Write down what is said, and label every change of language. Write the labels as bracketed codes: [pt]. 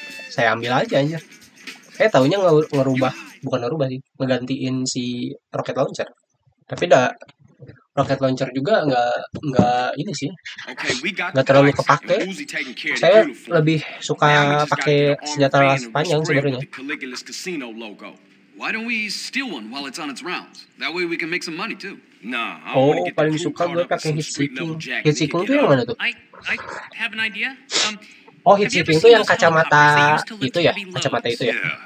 [id] Saya ambil aja anjir. Eh taunya ngerubah, bukan ngerubah sih, ngegantiin si rocket launcher. Tapi enggak rocket launcher juga enggak ini sih. Enggak terlalu kepake. Saya lebih suka pakai senjata laras panjang sebenarnya. [en] Why don't we steal one while it's on its rounds? That way we can make some money too. [id] Nah, oh, paling suka gue pakai heat seeking. Heat seeking itu yang mana tuh? [en] I have an idea. [id] Oh, heat seeking itu yang kacamata itu ya, kacamata itu ya.